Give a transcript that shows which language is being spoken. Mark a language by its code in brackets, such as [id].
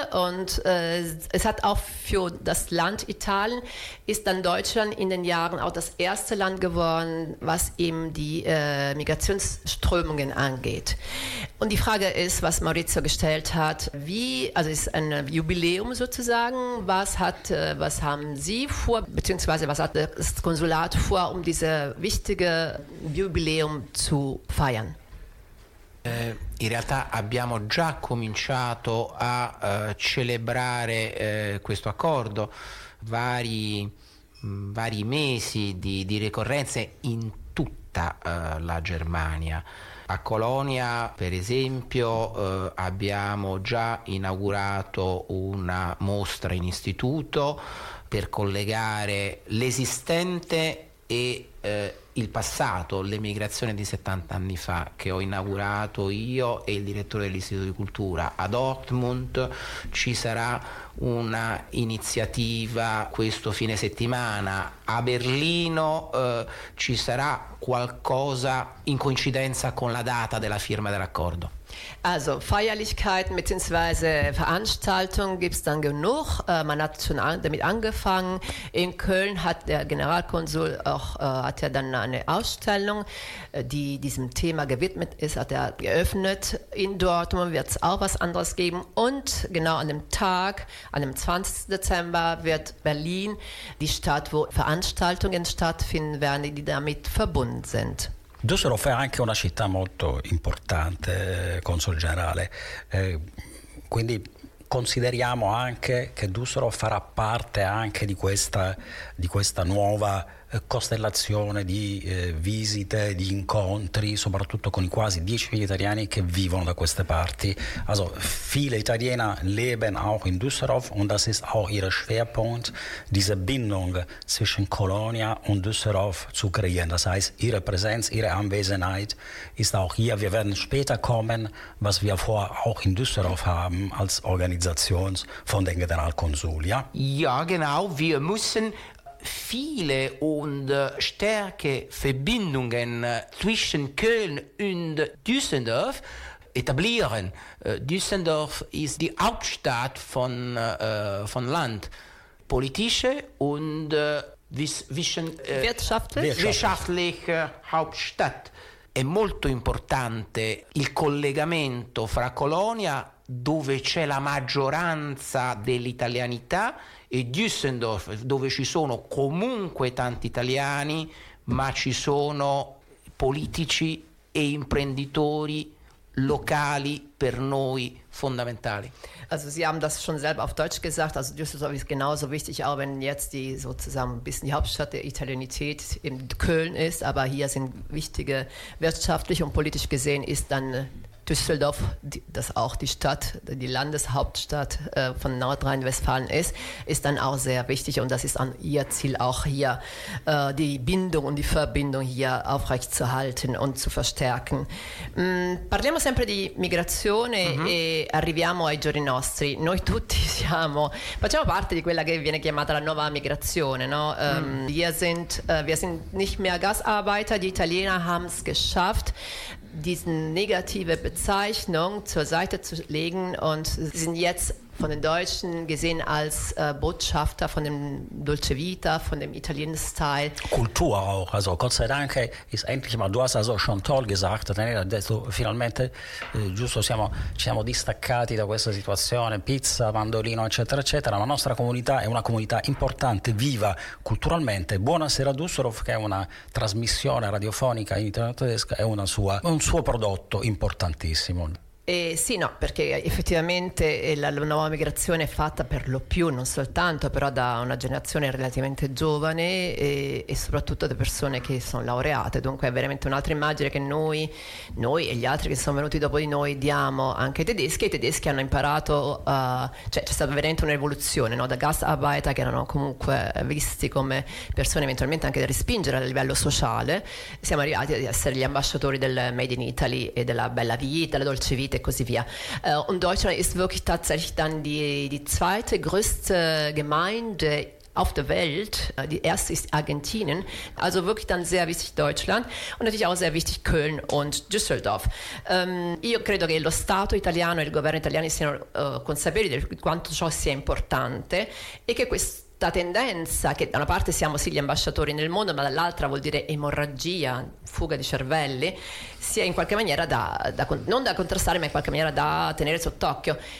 [de] Und es hat auch für das Land Italien, ist dann Deutschland in den Jahren auch das erste Land geworden, was eben die Migrationsströmungen angeht. Und die Frage ist, was Maurizio gestellt hat, also es ist ein Jubiläum sozusagen, was haben Sie vor, beziehungsweise was hat das Konsulat vor, um dieses wichtige Jubiläum zu feiern? [it] In realtà abbiamo già cominciato a celebrare questo accordo, vari mesi di ricorrenze in tutta la Germania. A Colonia, per esempio, abbiamo già inaugurato una mostra in istituto per collegare l'esistente e il passato, l'emigrazione di 70 anni fa, che ho inaugurato io e il direttore dell'Istituto di Cultura. A Dortmund ci sarà una iniziativa questo fine settimana, a Berlino ci sarà qualcosa in coincidenza con la data della firma dell'accordo. [de] Also Feierlichkeiten bzw. Veranstaltungen gibt es dann genug. Man hat schon damit angefangen. In Köln hat der Generalkonsul dann eine Ausstellung, die diesem Thema gewidmet ist, hat er geöffnet. In Dortmund wird es auch was anderes geben. Und genau an dem Tag, an dem 20. Dezember, wird Berlin die Stadt, wo Veranstaltungen stattfinden werden, die damit verbunden sind. [it] Düsseldorf è anche una città molto importante, Consul Generale, quindi consideriamo anche che Düsseldorf farà parte anche di questa nuova costellazione di visite, di incontri, soprattutto con i quasi 10.000 italiani che vivono da queste parti. [de] Also viele Italiener leben auch in Düsseldorf und das ist auch ihr Schwerpunkt, diese Bindung zwischen Colonia und Düsseldorf zu kreieren. Das heißt, ihre Präsenz, ihre Anwesenheit ist auch hier. Wir werden später kommen, was wir vor auch in Düsseldorf haben als Organisation von den Generalkonsul. Ja? Ja, genau. Wir müssen viele und starke Verbindungen zwischen Köln und Düsseldorf etablieren. Düsseldorf ist die Hauptstadt von Land, politische und wirtschaftlich Hauptstadt. [it] È molto importante il collegamento fra Colonia, dove c'è la maggioranza dell'italianità, e Düsseldorf, dove ci sono comunque tanti italiani, ma ci sono politici e imprenditori locali per noi fondamentali. [de] Also Sie haben das schon selber auf Deutsch gesagt, also Düsseldorf ist genauso wichtig, auch wenn jetzt die sozusagen ein bisschen die Hauptstadt der Italienität in Köln ist, aber hier sind wichtige, wirtschaftlich und politisch gesehen ist dann Düsseldorf, das auch die Stadt, die Landeshauptstadt von Nordrhein-Westfalen ist, ist dann auch sehr wichtig und das ist an ihr Ziel auch hier, die Bindung und die Verbindung hier aufrechtzuerhalten und zu verstärken. [it] Parliamo sempre di migrazione e arriviamo ai giorni nostri. Noi tutti facciamo parte di quella che viene chiamata la nuova migrazione, no? [de] Wir sind nicht mehr Gastarbeiter, die Italiener haben es geschafft, diese negative Bezeichnung zur Seite zu legen und sind jetzt von den Deutschen gesehen als Botschafter von dem Dolce Vita, von dem italienischen Style. Kultur auch, also Gott sei Dank ist endlich mal, du hast also schon toll gesagt, [it] Daniela, detto finalmente, giusto, siamo distaccati da questa situazione, pizza, mandolino, eccetera, eccetera, la nostra comunità è una comunità importante, viva culturalmente. Buonasera Düsseldorf, che è una trasmissione radiofonica in italiano tedesca, è un suo prodotto importantissimo. Sì, no, perché effettivamente la nuova migrazione è fatta per lo più, non soltanto, però da una generazione relativamente giovane e soprattutto da persone che sono laureate, dunque è veramente un'altra immagine che noi e gli altri che sono venuti dopo di noi diamo anche ai tedeschi, e i tedeschi hanno imparato, cioè c'è stata veramente un'evoluzione, no? Da Gastarbeiter, che erano comunque visti come persone eventualmente anche da respingere a livello sociale, siamo arrivati ad essere gli ambasciatori del Made in Italy e della bella vita, la dolce vita e così via. [de] Und Deutschland ist wirklich tatsächlich dann die zweite größte Gemeinde auf der Welt. Die erste ist Argentinien. Also wirklich dann sehr wichtig Deutschland und natürlich auch sehr wichtig Köln und Düsseldorf. [it] Io credo che lo Stato italiano e il governo italiano siano consapevoli di quanto ciò sia importante e che questa tendenza, che da una parte siamo sì gli ambasciatori nel mondo, ma dall'altra vuol dire emorragia, fuga di cervelli, sia in qualche maniera non da contrastare, ma in qualche maniera da tenere sott'occhio.